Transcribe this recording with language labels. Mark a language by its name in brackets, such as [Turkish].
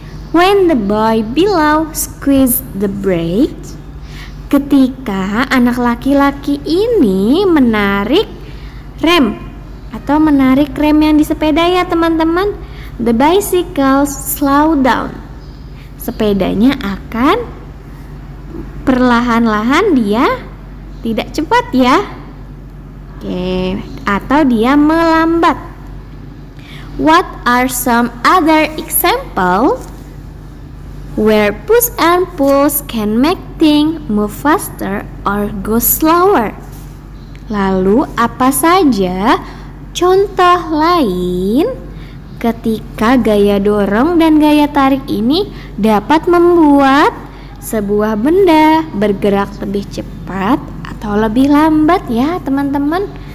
[English] When the boy below squeezed the brake, [Indonesian] ketika anak laki-laki ini menarik rem atau menarik rem yang di sepeda ya teman-teman, [English] the bicycle slow down. [Indonesian] Sepedanya akan perlahan-lahan, dia tidak cepat ya. Oke, atau dia melambat. [English] What are some other examples where push and pulls can make things move faster or go slower? [Indonesian] Lalu apa saja contoh lain ketika gaya dorong dan gaya tarik ini dapat membuat sebuah benda bergerak lebih cepat atau lebih lambat ya teman-teman?